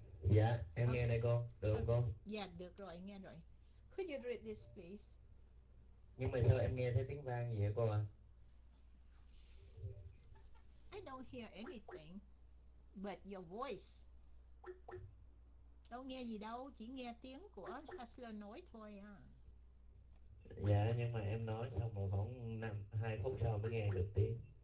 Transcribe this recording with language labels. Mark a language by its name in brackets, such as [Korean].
[Vietnamese] Yeah, em nghe này cô, được không cô? [English] Yeah, [Vietnamese] được rồi, nghe rồi. [English] Could you read this, please? [Vietnamese] Nhưng mà sao em nghe thấy tiếng vang gì hả cô [English] ạ? I don't hear anything but your voice. [Vietnamese] Đâu nghe gì đâu, chỉ nghe tiếng của Hustler nói thôi à. Dạ, nhưng mà em nói xong rồi khoảng 2 phút sau mới nghe được tiếng.